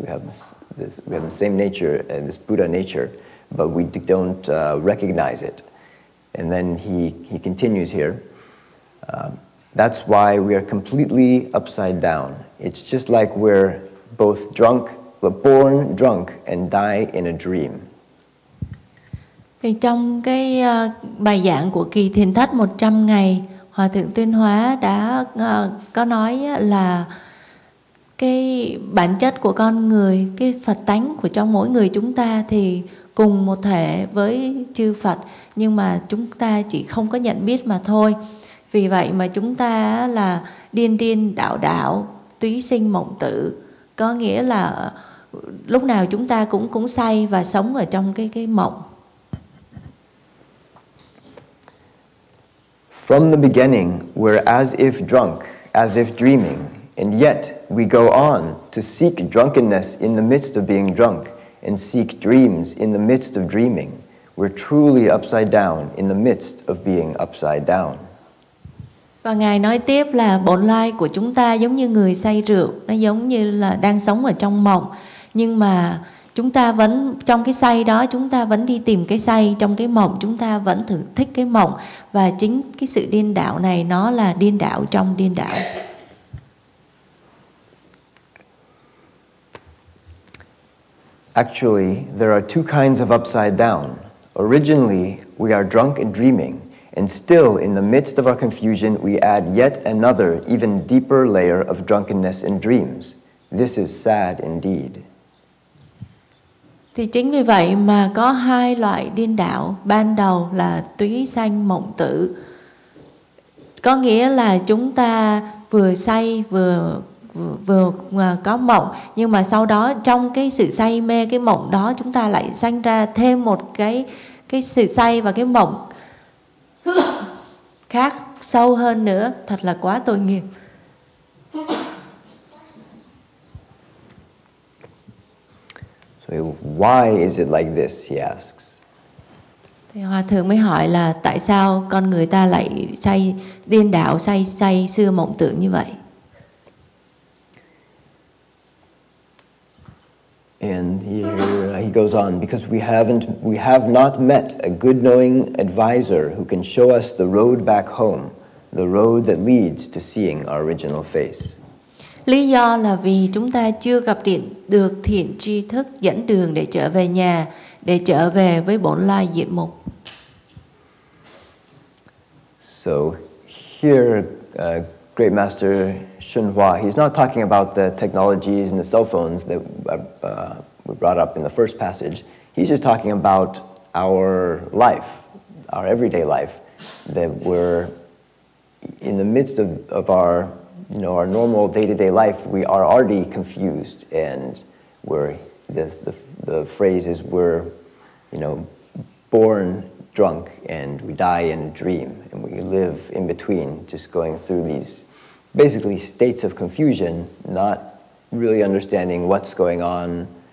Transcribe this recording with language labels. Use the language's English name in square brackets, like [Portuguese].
[English] We have we have the same nature and this Buddha nature, but we don't recognize it. And then he continues here. That's why we are completely upside down. It's just like we're both drunk, we're born drunk and die in a dream. [Vietnamese] Thì trong cái bài giảng của kỳ thiền thất 100 ngày, Hòa Thượng Tuyên Hóa đã có nói là cái bản chất của con người, cái Phật tánh của trong mỗi người chúng ta thì cùng một thể với chư Phật, nhưng mà chúng ta chỉ không có nhận biết mà thôi. Vì vậy mà chúng ta là điên điên đảo đảo, túy sinh mộng tử, có nghĩa là lúc nào chúng ta cũng say và sống ở trong cái mộng. [English] From the beginning, we're as if drunk, as if dreaming, and yet we go on to seek drunkenness in the midst of being drunk, and seek dreams in the midst of dreaming. We're truly upside down in the midst of being upside down. [Vietnamese] Và Ngài nói tiếp là bổn lai của chúng ta giống như người say rượu, nó giống như là đang sống ở trong mộng, nhưng mà chúng ta vẫn trong cái say đó, chúng ta vẫn đi tìm cái say trong cái mộng, chúng ta vẫn thử thích cái mộng, và chính cái sự điên đảo này nó là điên đảo trong điên đảo. [English] Actually, there are two kinds of upside down. Originally, we are drunk and dreaming, and still in the midst of our confusion, we add yet another, even deeper layer of drunkenness and dreams. This is sad indeed. [Vietnamese] Thì chính vì vậy mà có hai loại điên đảo, ban đầu là túy sanh mộng tử. Có nghĩa là chúng ta vừa say vừa có mộng, nhưng mà sau đó trong cái sự say mê cái mộng đó, chúng ta lại sanh ra thêm một cái sự say và cái mộng khác sâu hơn nữa, thật là quá tội nghiệp. [English] Why is it like this? He asks. [Vietnamese] Thì Hòa Thượng mới hỏi là tại sao con người ta lại say điên đảo, say sưa mộng tưởng như vậy. [English] And he goes on, because we have not met a good knowing advisor who can show us the road back home, the road that leads to seeing our original face. [Vietnamese] Lý do là vì chúng ta chưa gặp được thiện tri thức dẫn đường để trở về nhà, để trở về với bổn lai diện mục. [English] So here, Great Master Hsuan Hua, he's not talking about the technologies and the cell phones that we brought up in the first passage. He's just talking about our life, our everyday life, that we're in the midst of our, you know, our normal day-to-day life, we are already confused, and we're the phrase is we're, you know, born drunk and we die in a dream, and we live in between, just going through these basically states of confusion, not really understanding what's going on,